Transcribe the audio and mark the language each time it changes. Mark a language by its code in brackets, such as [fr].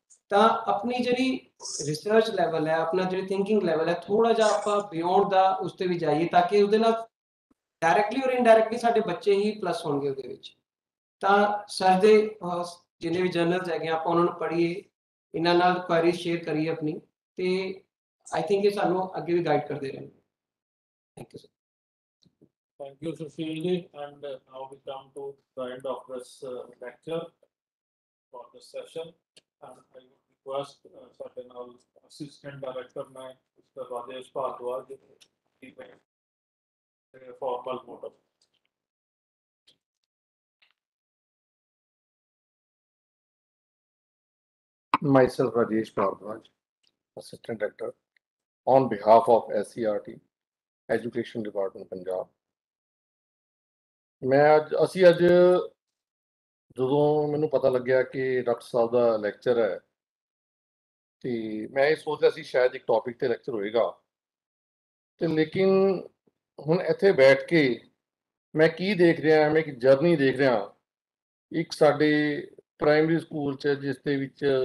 [pa] ਤਾਂ ਆਪਣੀ ਜਿਹੜੀ ਰਿਸਰਚ ਲੈਵਲ ਹੈ, ਆਪਣਾ ਜਿਹੜੀ ਥਿੰਕਿੰਗ ਲੈਵਲ ਹੈ, ਥੋੜ੍ਹਾ ਜਿਹਾ ਆਪਾਂ ਬਿਓਂਡ ਦਾ ਉਸ 'ਤੇ ਵੀ ਜਾਈਏ, ਤਾਂ ਕਿ ਉਹਦੇ ਨਾਲ ਡਾਇਰੈਕਟਲੀ ਔਰ ਇਨਡਾਇਰੈਕਟਲੀ ਸਾਡੇ ਬੱਚੇ ਹੀ ਪਲੱਸ ਹੋਣਗੇ ਉਹਦੇ ਵਿੱਚ। ਤਾਂ ਸਰ ਦੇ ਜਿੰਨੇ ਵੀ ਜਰਨਲਸ ਹੈਗੇ ਆਪਾਂ ਉਹਨਾਂ ਨੂੰ ਪੜ੍ਹੀਏ, ਇਹਨਾਂ ਨਾਲ ਕੁਆਰੀ ਸ਼ੇਅਰ ਕਰੀਏ ਆਪਣੀ, ਅਤੇ [en] I think [pa] ਇਹ ਸਾਨੂੰ ਅੱਗੇ ਵੀ ਗਾਈਡ ਕਰਦੇ ਰਹਿਣ। [en] Thank you sir. Thank you, Sushil ji, and now we come to the end of this lecture for this session, and I request certain our assistant director, Mr. Rajesh Bhardwaj, to make a formal motto. Myself, Rajesh Bhardwaj, assistant director, on behalf of SCRT, Education Department, Punjab. [pa] ਅੱਜ ਜਦੋਂ ਮੈਨੂੰ ਪਤਾ ਲੱਗਿਆ ਕਿ doctor ਸਾਹਿਬ ਦਾ lecture ਹੈ, ਅਤੇ ਮੈਂ ਇਹ ਸੋਚ ਰਿਹਾ ਸੀ ਸ਼ਾਇਦ ਇੱਕ ਟੋਪਿਕ 'ਤੇ ਲੈਕਚਰ ਹੋਏਗਾ, ਅਤੇ ਲੇਕਿਨ ਹੁਣ ਇੱਥੇ ਬੈਠ ਕੇ ਮੈਂ ਕੀ ਦੇਖ ਰਿਹਾ, ਮੈਂ ਇੱਕ ਜਰਨੀ ਦੇਖ ਰਿਹਾ ਇੱਕ ਸਾਡੇ ਪ੍ਰਾਇਮਰੀ ਸਕੂਲ 'ਚ, ਜਿਸ ਦੇ ਵਿੱਚ